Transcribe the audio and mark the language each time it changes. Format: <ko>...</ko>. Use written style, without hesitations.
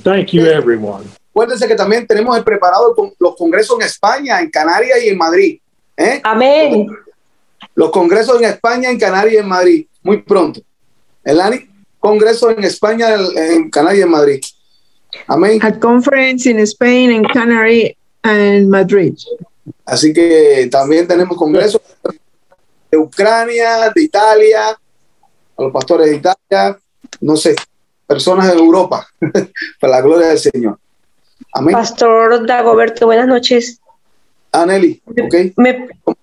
<en>Thank you, everyone.</en> <es>Acuérdense que también tenemos preparado los congresos en España, en Canarias y en Madrid. Amén. Los congresos en España, en Canarias y en Madrid. Muy pronto. Lani. Congreso en España, en Canarias y en Madrid. Amén.</es> <en>A conference in Spain, in Canary, and Madrid.</en> <es>Así que también tenemos congresos de Ucrania, de Italia, a los pastores de Italia, no sé, personas de Europa, para la gloria del Señor. Amén. Pastor Dagoberto, buenas noches. Anneli, ok.</es>